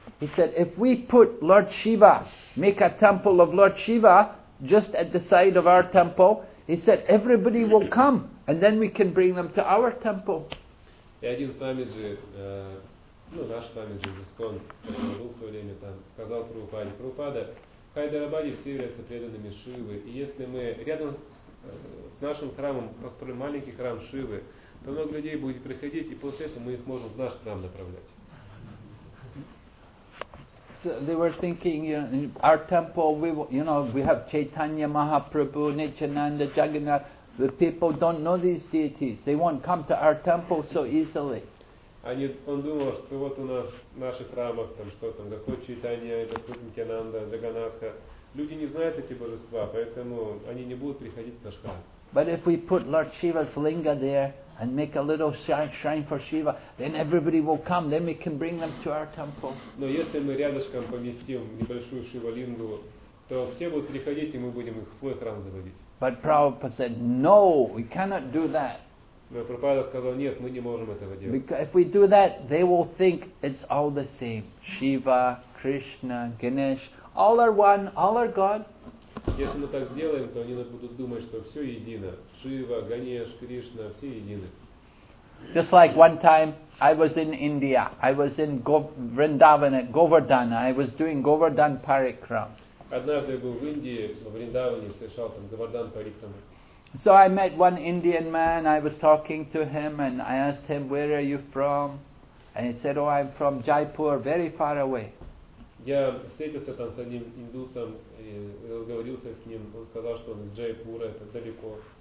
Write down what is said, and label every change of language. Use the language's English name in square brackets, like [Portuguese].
[English] He said, if we put Lord Shiva, make a temple of Lord Shiva just at the side of our temple, he said, everybody will come, and then we can bring them to our temple. [Russian] И один Свамиджи, наш Свамиджи из ИСКОН, который был в то время там, сказал Прабхупаде, Прабхупада, в Хайдарабаде все являются преданными Шивы, и если мы рядом с нашим храмом построим маленький храм Шивы, то много людей будет приходить, и после этого мы их можем в наш храм направлять. [English] So they were thinking, you know, in our temple, we have Chaitanya Mahaprabhu, Nityananda, Jagannath. The people don't know these deities. They won't come to our temple so easily. [Russian] Они, он думал, что вот у нас в наших храмах там что там, Господь Чайтанья, Господь Нитянанда, Джаганнатха. Люди не знают эти божества, поэтому они не будут приходить в наш храм. [English] But if we put Lord Shiva's linga there and make a little shrine for Shiva, then everybody will come. Then we can bring them to our temple. [Russian] Но если мы рядышком поместим небольшую Шивалингу, то все будут приходить, и мы будем их в свой храм заводить. [English] But Prabhupada said, no, we cannot do that. [Russian] Но Прабхупада сказал, нет, мы не можем этого делать. [English] Because if we do that, they will think it's all the same. Shiva, Krishna, Ganesh, all are one, all are God. [Russian] Если мы так сделаем, то они будут думать, что все едино. Шива, Ганеш, Кришна, все едины. [English] Just like one time I was in India. I was in Vrindavan at Govardhana. I was doing Govardhan Parikram. [Russian] Однажды я был в Индии, в Вриндаване, совершал там Говардан Парикрама. [English] So I met one Indian man. I was talking to him and I asked him, where are you from? And he said, oh, I'm from Jaipur, very far away. [Russian] Я встретился там с одним индусом и разговорился с ним. Он сказал, что он из Джайпура, это далеко.